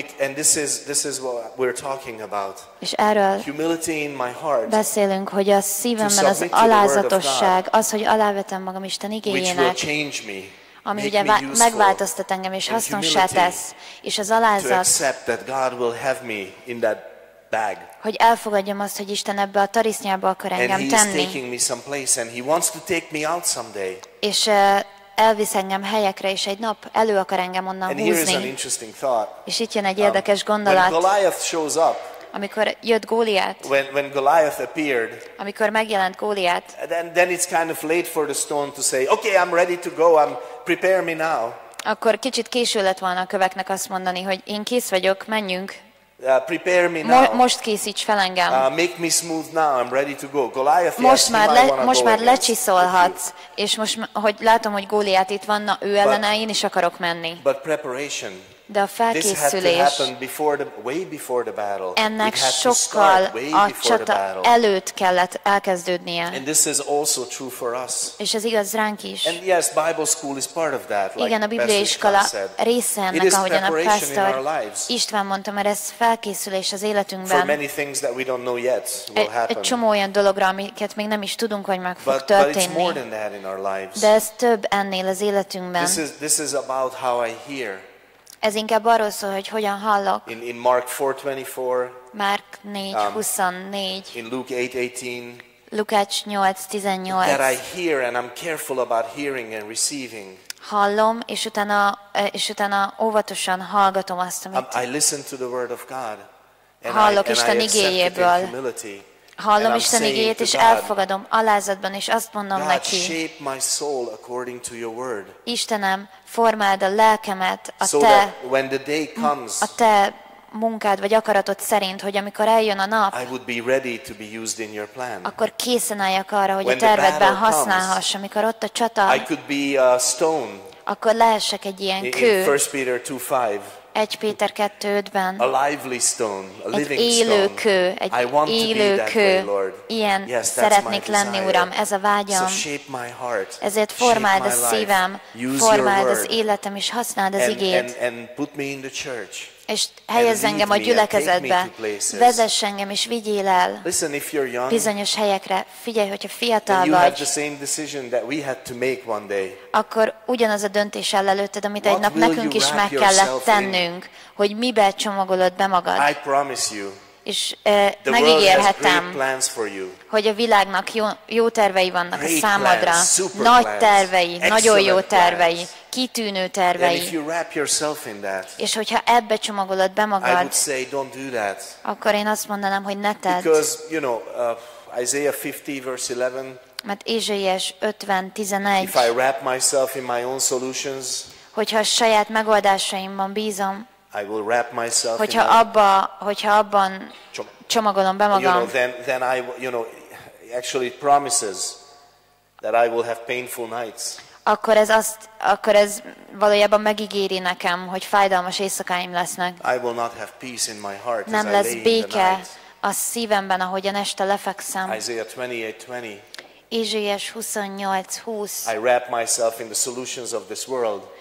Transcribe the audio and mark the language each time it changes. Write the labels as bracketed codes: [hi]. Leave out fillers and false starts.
[en] And this is what we're talking about. [hu] És erről [en] humility in my heart. [hu] Beszélünk, hogy a szívemben az alázatosság, az, hogy alávetem magam Isten igényének, [en] which will change me, [hu] ami ugye megváltoztat engem és hasznossá tesz, és az alázat, [en] to accept that God will have me in that bag. [hu] Hogy elfogadjam azt, hogy Isten ebbe a tarisznyába akar engem tenni. [en] And he's taking me someplace and he wants to take me out someday. [hu] És elvisz engem helyekre, és egy nap elő akar engem onnan húzni. És itt jön egy érdekes gondolat. [en] Up, [hu] amikor jött Góliát, [en] when Goliath appeared, [hu] amikor megjelent Góliát, [en] then it's kind of late for the stone to say, okay, I'm ready to go, I'm prepare me now. [hu] Akkor kicsit késő lett volna a köveknek azt mondani, hogy én kész vagyok, menjünk. [en] Prepare me now. [hu] Most készíts fel engem. [en] Make me smooth now. I'm ready to go. Goliath, [hu] most már le, most már lecsiszolhatsz, és most, hogy látom, hogy Góliát itt van, ő ellene, én is akarok menni. [en] But preparation. [hu] De a felkészülés. [en] This had to happen before the, way before the battle. [hu] Ennek sokkal a csata előtt kellett elkezdődnie. [en] And this is also true for us. [hu] És ez igaz ránk is. [en] And yes, Bible school is part of that. [hu] Igen, [en] like [hu] a Biblia iskola része ennek, ahogyan a pásztor István mondta, mert ez felkészülés az életünkben. [en] For many things that we don't know yet will happen. [hu] Egy csomó olyan dologra, amiket még nem is tudunk, hogy meg fog történni. [en] But it's more than that in our lives. [hu] De ez több ennél az életünkben. [en] This is about how I hear. [hu] Ez inkább arról szól, hogy hogyan hallok. [en] In Mark 4:24. [hu] Mark 4:24. [en] In Luke 8:18. [hu] Lukács 8:18. [en] That I hear and I'm careful about hearing and receiving. [hu] Hallom, és utána óvatosan hallgatom azt, amit. [en] I listen to the word of God. [hu] Hallok Isten igéjéből. Hallom Isten igéjét, és elfogadom alázatban, és azt mondom neki. [en] God, shape my soul according to your word. [hu] Istenem, formáld a lelkemet a [en] so that when the day comes, [hu] a te munkád vagy akaratod szerint, hogy amikor eljön a nap, [en] I would be ready to be used in your plan. [hu] Akkor készen álljak arra, hogy a tervedben használhass, amikor ott a csata, [en] I could be a stone. [hu] Akkor lehessek egy ilyen kő. [en] In 1 Peter 2:5. [hu] 1 Péter 2:5-ben. [en] A lively stone, a living [hu] stone. Élő kő, egy élő kő. Ilyen yes, szeretnék lenni, Uram, ez a vágyam. [en] So shape my heart. [hu] Ezért formáld a szívem, formáld az életem, és használd az igét. [en] And put me in the church. [hu] És helyezz engem a gyülekezetbe. Vezess engem, és vigyél el. [en] Listen, if you're young, [hu] bizonyos helyekre. Figyelj, hogyha fiatal vagy. [en] You have the same decision that we had to make one day. [hu] Akkor ugyanaz a döntés áll előtted, amit egy nap nekünk is meg kellett tennünk, hogy mibe csomagolod be magad. [en] I promise you. [hu] És megígérhetem, hogy a világnak jó tervei vannak [en] great [hu] a számodra. [en] Plans, super [hu] nagy tervei, [en] plans, [hu] nagyon jó tervei, plans, kitűnő tervei. [en] And if you wrap yourself in that, [hu] és hogyha ebbe csomagolod be magad, [en] I would say, don't do that, [hu] akkor én azt mondanám, hogy ne tedd. [en] Because, you know, Isaiah 50, verse 11, [hu] mert Ézsaiás 50:11, [en] if I wrap myself in my own solutions, [hu] hogyha a saját megoldásaimban bízom, [en] I will wrap myself [hu] hogyha in abba, hogyha abban csomagolom be magam. [en] You know, then I, you know, actually it promises that I will have painful nights. [hu] Akkor ez valójában megígéri nekem, hogy fájdalmas éjszakáim lesznek. [en] I will not have peace in my heart. [hu] Nem [en] as [hu] lesz [en] I lay [hu] béke [en] in the night. [hu] A szívemben, ahogyan este lefekszem. [en] Isaiah 28:20. [hu] Ézsaiás 28:20. [en] I wrap myself in the solutions of this world.